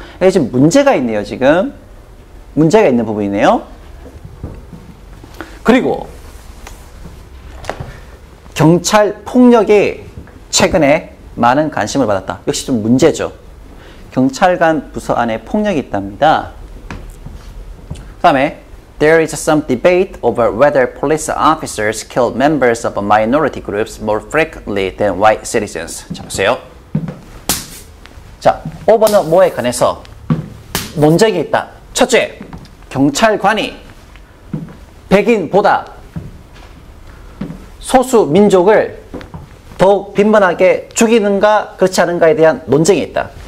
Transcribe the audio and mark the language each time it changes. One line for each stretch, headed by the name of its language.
Korean: 이게 지금 문제가 있네요. 지금 문제가 있는 부분이네요. 그리고 경찰 폭력이 최근에 많은 관심을 받았다. 역시 좀 문제죠. 경찰관 부서 안에 폭력이 있답니다. 그 다음에
English: There is some debate over whether police officers kill members of minority groups more frequently than white citizens.
Korean: 자, 보세요. 자, 5번은 뭐에 관해서 논쟁이 있다. 첫째, 경찰관이 백인보다 소수 민족을 더욱 빈번하게 죽이는가 그렇지 않은가에 대한 논쟁이 있다.